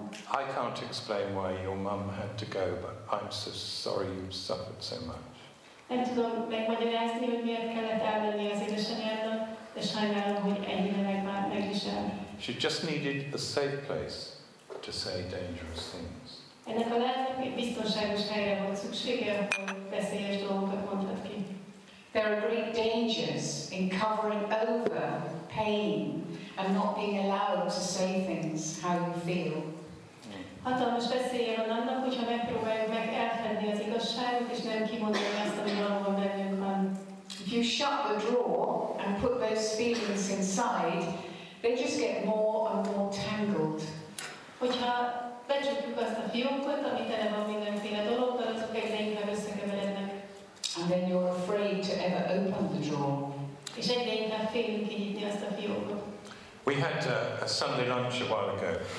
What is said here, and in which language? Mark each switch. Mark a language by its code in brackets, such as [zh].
[en] I can't explain why your mum had to go, but I'm so sorry you suffered so much. [hu] Nem tudom megmagyarázni, hogy miért kellett elmenni az édesanyjának, de sajnálom, hogy ennyire megvisel. [en] She just needed a safe place to say dangerous things. [hu] Ennek a lelki biztonságos helyre volt szüksége, hogy veszélyes dolgokat mondhat ki. [en] There are great dangers in covering over pain and not being allowed to say things how you feel. [hu] Hatalmas veszélye van annak, hogyha megpróbáljuk meg elfedni az igazságot, és nem kimondani azt, ami valóban bennünk van. [en] If you shut the drawer and put those feelings inside, they just get more and more tangled. [hu] Hogyha becsukjuk azt a fiókot, ami tele van mindenféle dologgal, azok egyre inkább összekeverednek. [en] And then you're afraid to ever open the drawer. [hu] És egyre inkább félünk kinyitni azt a fiókot. [en] We had a Sunday lunch a while ago.